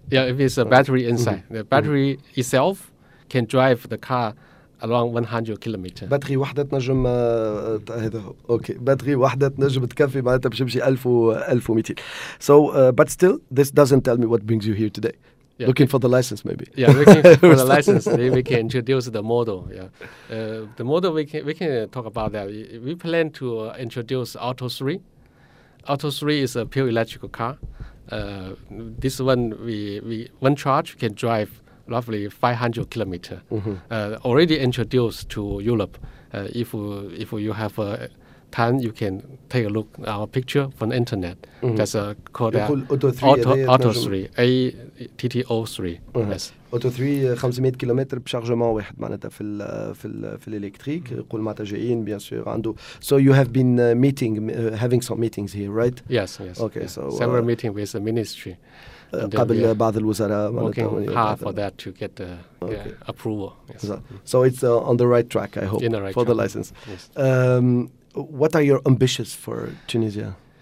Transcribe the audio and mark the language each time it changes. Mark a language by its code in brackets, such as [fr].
[en] Yeah, if it's a battery inside. Mm-hmm. The battery itself can drive the car along 100 kilometers. [ar] Battery واحدة تنجم هذا okay. Battery واحدة تنجم تكفي معناتها باش يمشي 1200. [en] So, but still, this doesn't tell me what brings you here today. Yeah. Looking for the license, maybe. Yeah, looking for the license. Maybe we can introduce the model. Yeah, the model we can talk about that. We plan to introduce Auto 3. Auto 3 is a pure electrical car. This one one charge can drive roughly 500 kilometers. Mm-hmm. Already introduced to Europe. If you have a time you can take a look at our picture from the internet. Mm-hmm. That's called Auto 3. ATTO 3. Mm-hmm. Yes. [ar] Auto 3, 500 كيلومتر بشارجمون واحد معناتها في الـ في الـ في الالكتريك يقول معناتها جايين بيان سور عنده. [en] So you have been meeting, having some meetings here, right? Yes, yes. Okay, yeah. So. Several meetings with the ministry. [ar] قبل بعض الوزراء [en] working hard for that to get the approval. Yes. So it's on the right track, I hope, in the right for track. The license. Yes. What are your ambitions for Tunisia?